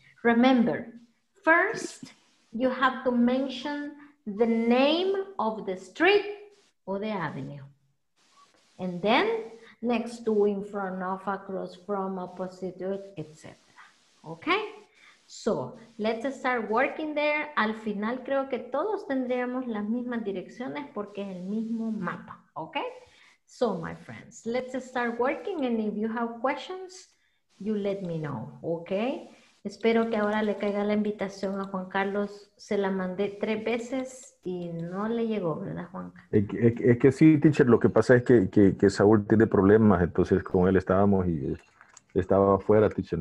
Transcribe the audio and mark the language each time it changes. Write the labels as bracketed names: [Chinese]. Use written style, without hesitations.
[English] Remember, first you have to mention the name of the street or the avenue. And then, next to, in front of, across, from, opposite, etc. Okay? So, let's start working there. [Spanish] Al final, creo que todos tendríamos las mismas direcciones porque es el mismo mapa. [English] Okay? So, my friends, let's start working. And if you have questions, you let me know. Okay? [Spanish] Espero que ahora le caiga la invitación a Juan Carlos. Se la mandé tres veces y no le llegó, ¿verdad, Juanca? Es que sí, teacher. Lo que pasa es que Saúl tiene problemas. Entonces, con él estábamos y estaba afuera, teacher.